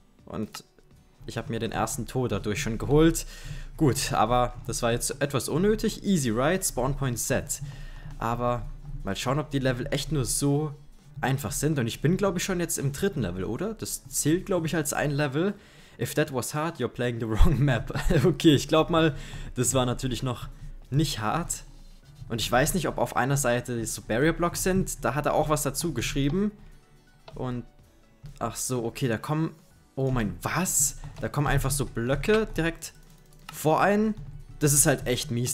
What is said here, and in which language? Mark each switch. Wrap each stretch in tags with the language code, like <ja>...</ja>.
<de>Und ich habe mir den ersten Tod dadurch schon geholt. Gut, aber das war jetzt etwas unnötig.</de> <en>Easy, right? Spawnpoint set.</en> <de>Aber mal schauen, ob die Level echt nur so einfach sind. Und ich bin, glaube ich, schon jetzt im dritten Level, oder? Das zählt, glaube ich, als ein Level.</de> <en>If that was hard, you're playing the wrong map.</en> <de>Okay, ich glaube mal, das war natürlich noch nicht hart. Und ich weiß nicht, ob auf einer Seite so Barrier Blocks sind. Da hat er auch was dazu geschrieben. Und ach so, okay, da kommen... Oh mein, was? Da kommen einfach so Blöcke direkt vor einen. Das ist halt echt mies.</de>